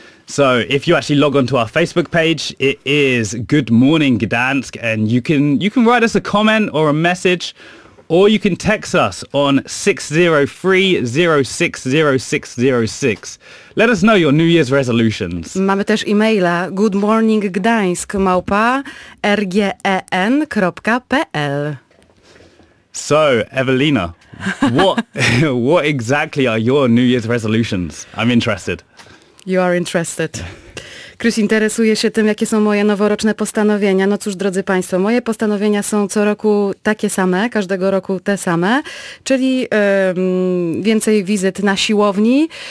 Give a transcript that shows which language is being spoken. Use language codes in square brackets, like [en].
[en] So if you actually log on to our Facebook page, it is Good Morning Gdansk, and you can write us a comment or a message, or you can text us on 603-060-606. Let us know your New Year's resolutions. [pl] Mamy też e-maila goodmorninggdańsk@rgen.pl. [en] So, Evelina, what exactly are your New Year's resolutions? I'm interested. You are interested. [pl] Krzyś interesuje się tym, jakie są moje noworoczne postanowienia. No cóż, drodzy Państwo, moje postanowienia są co roku takie same, każdego roku te same, czyli więcej wizyt na siłowni.